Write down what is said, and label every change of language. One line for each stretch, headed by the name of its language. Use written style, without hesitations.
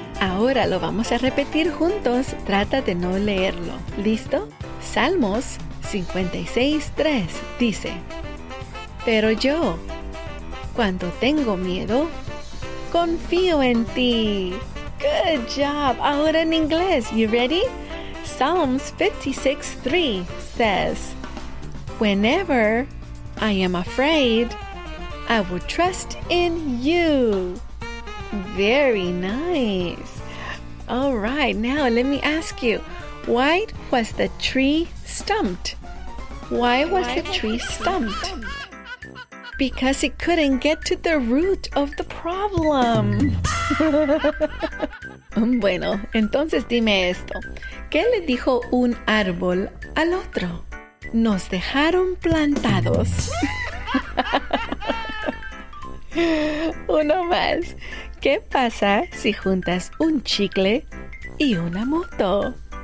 Spanish: Ahora lo vamos a repetir juntos. Trata de no leerlo. ¿Listo? Salmos 56:3 dice: Pero yo, cuando tengo miedo, confío en ti.
English: Good job.
Spanish: Ahora en inglés.
English: You ready? Psalms 56:3 says, Whenever I am afraid, I will trust in you. Very nice. All right. Now let me ask you, why was the tree stumped? Why was the tree stumped? Because it couldn't get to the root of the problem.
Spanish: Bueno, entonces dime esto. ¿Qué le dijo un árbol al otro? Nos dejaron plantados. Uno más. ¿Qué pasa si juntas un chicle y una moto?